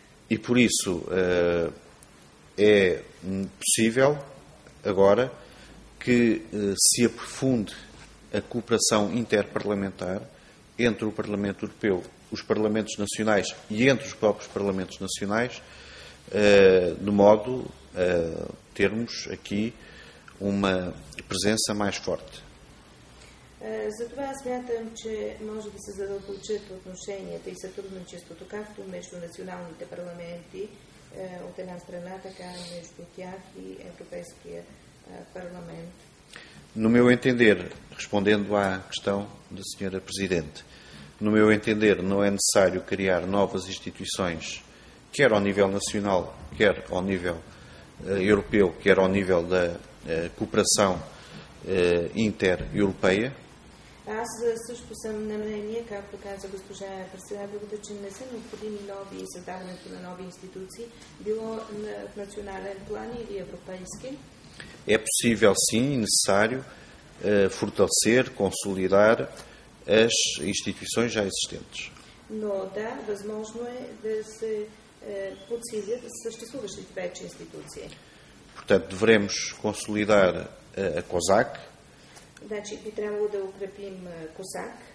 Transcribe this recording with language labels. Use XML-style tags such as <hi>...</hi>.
<pt>E por isso é possível agora que se aprofunde a cooperação interparlamentar entre o Parlamento Europeu, os Parlamentos Nacionais e entre os próprios Parlamentos Nacionais, de modo a termos aqui uma presença mais forte.</pt> <bg>Затова аз смятам, че може да се задълбочат отношенията и сътрудничеството както между националните парламенти от една страна, така и между тях и Европейския парламент.</bg> <pt>No meu entender, respondendo à questão da senhora presidente, no meu entender, não é necessário criar novas instituições, quer ao nível nacional, quer ao nível europeu, quer ao nível da cooperação inter-europeia.</pt> <bg>Аз също съм на мнение, както каза госпожа председателката, че не са необходими нови създаването на нови институции, било в национален план или европейски.</bg> <pt>É possível sim e necessário fortalecer, consolidar as instituições já existentes.</pt> <bg>Но да, възможно е да се подсилят съществуващите вече институции.</bg> <pt>Portanto, devemos consolidar a COSAC.</pt> <bg>Значи, би трябвало да укрепим COSAC.</bg>